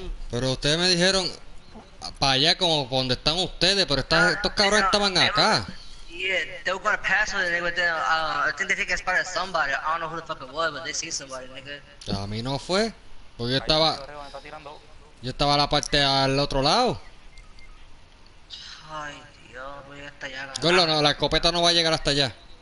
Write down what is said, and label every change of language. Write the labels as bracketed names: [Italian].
[Spanish] Pero ustedes me dijeron para allá como donde están ustedes, pero estos cabrones estaban acá. [English] Yeah, they were gonna pass with it, nigga, but then I think they think I spotted somebody. I don't know who the fuck it was, but they see somebody, nigga. [Spanish] A mí no fue, porque yo estaba a la parte al otro lado. Ay, Dios, voy hasta allá. Gorlo, no, la escopeta no va a llegar hasta allá.